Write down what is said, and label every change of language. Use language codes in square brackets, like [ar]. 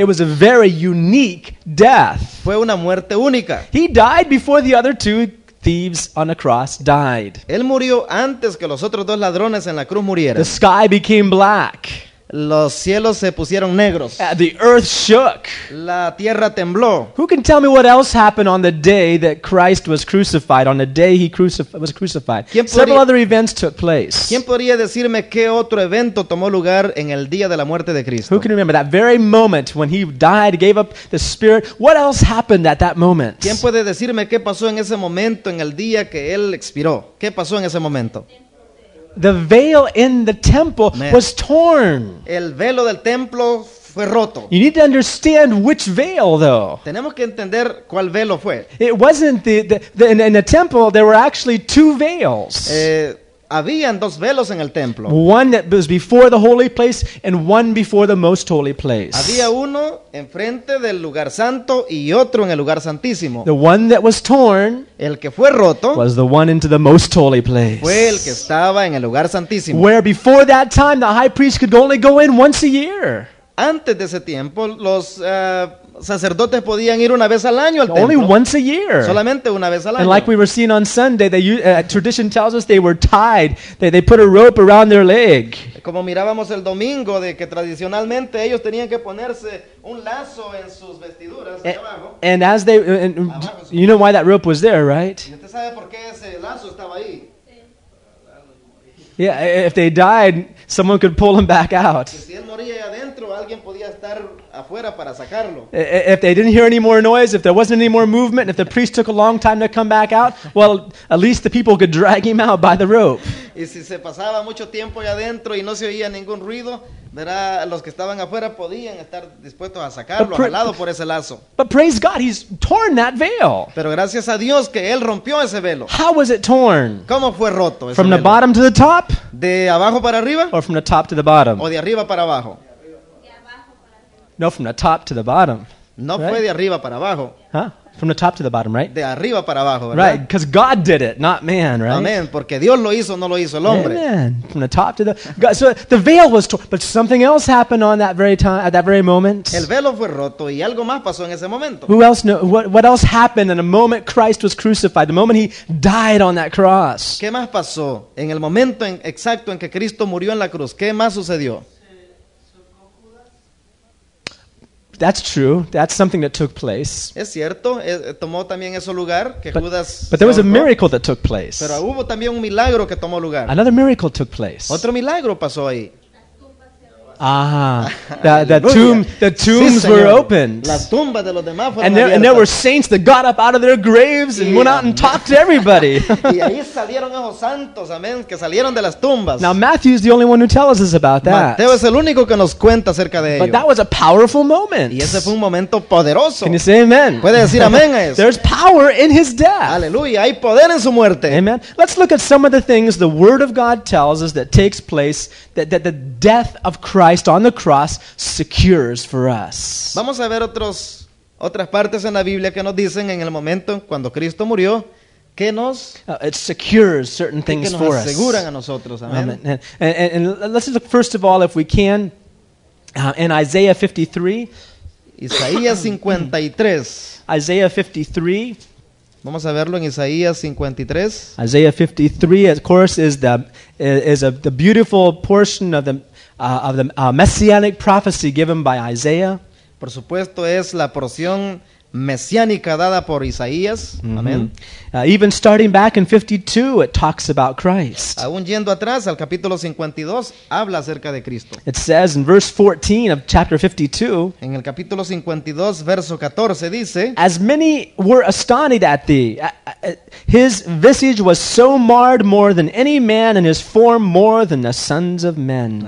[en] It was a very unique death. [es] Fue una muerte única. [en] He died before the other two thieves on the cross died. [es] Él murió antes que los otros dos ladrones en la cruz murieran. [en] The sky became black. [es] Los cielos se pusieron negros. [en] The earth shook. [es] La tierra tembló. [en] Who can tell me what else happened on the day that Christ was crucified? On the day he was crucified. Several other events took place. [es] ¿Quién podría decirme qué otro evento tomó lugar en el día de la muerte de Cristo? [en] Who can remember that very moment when he died, gave up the spirit? What else happened at that moment? [es] ¿Quién puede decirme qué pasó en ese momento, en el día que él expiró? ¿Qué pasó en ese momento? [en] The veil in the temple was torn. [es] El velo del templo fue roto. [en] You need to understand which veil, though. [es] Tenemos que entender cuál velo fue. [en] It wasn't in the temple, there were actually two veils. [es] Habían dos velos en el templo. [en] One that was before the holy place and one before the most holy place. [es] Había uno enfrente del lugar santo y otro en el lugar santísimo. [en] The one that was torn, [es] el que fue roto, [en] was the one into the most holy place. [es] Fue el que estaba en el lugar santísimo. [en] Where before that time the high priest could only go in once a year. [es] Antes de ese tiempo los sacerdotes podían ir una vez al año al templo. [en] Only once a year. [es] Solamente una vez al año. [en] And like we were seeing on Sunday, they tradition tells us they were tied. They put a rope around their leg. [es] Como mirábamos el domingo, de que tradicionalmente ellos tenían que ponerse un lazo en sus vestiduras. [en] And as they, and you know why that rope was there, right? [es] ¿Usted sabe por qué ese lazo estaba ahí? [en] Yeah, if they died, someone could pull them back out. [es] Si él moría adentro, alguien podía estar afuera para sacarlo. [en] If they didn't hear any more noise, if there wasn't any more movement, and if the priest took a long time to come back out, well, at least the people could drag him out by the rope. [es] Y si se pasaba mucho tiempo allá adentro y no se oía ningún ruido, verá, los que estaban afuera podían estar dispuestos a sacarlo, jalado por ese lazo. [en] But praise God, he's torn that veil. [es] Pero gracias a Dios que él rompió ese velo. [en] How was it torn? [es] ¿Cómo fue roto ese [en] From [es] velo? [en] The bottom to the top? [es] ¿De abajo para arriba? [en] Or from the top to the bottom? [es] ¿O de arriba para abajo? [en] No, from the top to the bottom. [es] No right? Fue de arriba para abajo. Huh? [en] From the top to the bottom, right? [es] De arriba para abajo, ¿verdad? [en] Right, because God did it, not man, right? [es] Amen, porque Dios lo hizo, no lo hizo el hombre. [en] Amen, from the top to the... God, so the veil was torn, but something else happened on that very time, at that very moment. [es] El velo fue roto y algo más pasó en ese momento. [en] Who else know, what else happened in the moment Christ was crucified, the moment he died on that cross? [es] ¿Qué más pasó en el momento exacto en que Cristo murió en la cruz? ¿Qué más sucedió? [en] That's true. That's something that took place. [es] Es cierto. Tomó también ese lugar que Judas. [en] But there was a miracle that took place. [es] Pero hubo también un milagro que tomó lugar. [en] Another miracle took place. [es] Otro milagro pasó ahí. [en] Ah, the tombs [es] sí, [en] were opened. [es] Las tumbas de los demás fueron abiertas. [en] And there were saints that got up out of their graves and went out and talked to everybody. [es] Y ahí salieron esos santos, amén, que salieron de las tumbas. [en] Now Matthew is the only one who tells us about that. [es] Mateo es el único que nos cuenta acerca de ello. [en] But that was a powerful moment. [es] Y ese fue un momento poderoso. [en] Can you say amen? [es] ¿Puede decir amén a eso? [en] There's power in his death. [es] Aleluya, hay poder en su muerte. [en] Amen. Let's look at some of the things the Word of God tells us that takes place, that the death of Christ on the cross secures for us. [es] Vamos a ver otras partes en la Biblia que nos dicen en el momento cuando Cristo murió que nos [en] it secures certain things for us. [es] Que nos aseguran a nosotros. Amen. [en] And let's look first of all if we can in Isaiah 53. [es] Isaías 53. [en] Isaiah 53. [es] Vamos a verlo en Isaías 53. [en] Isaiah 53, of course, is the beautiful portion of the messianic prophecy given by Isaiah. [es] Por supuesto, es la porción mesiánica dada por Isaías. Mm-hmm. Amén. [en] Even starting back in 52, it talks about Christ. [es] Aún yendo atrás al capítulo 52, habla acerca de Cristo. [en] It says in verse 14 of chapter 52. [es] En el capítulo 52, verso 14 dice: [en] As many were astonished at thee, his visage was so marred more than any man, and his form more than the sons of men.